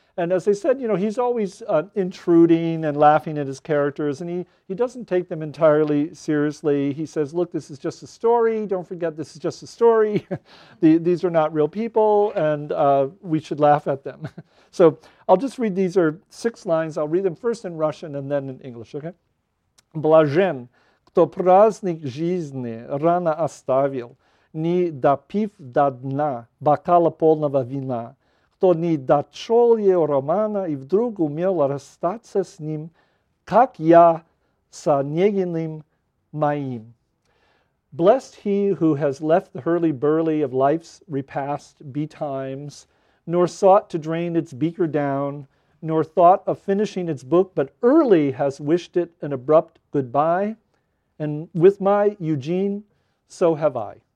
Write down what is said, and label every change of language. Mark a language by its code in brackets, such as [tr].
[en] And as I said, you know, he's always intruding and laughing at his characters, and he doesn't take them entirely seriously. He says, look, this is just a story. Don't forget, this is just a story. These are not real people, and we should laugh at them. So I'll just read, these are six lines. I'll read them first in Russian and then in English, okay? [ru] Блажен, кто праздник жизни рано оставил, не допив до дна бокала полного вина, кто не дочел ее романа и вдруг умел расстаться с ним, как я с Онегиным моим. [en] Blessed he who has left the hurly-burly of life's repast betimes, nor sought to drain its beaker down, nor thought of finishing its book, but early has wished it an abrupt goodbye, and with my Eugene, so have I.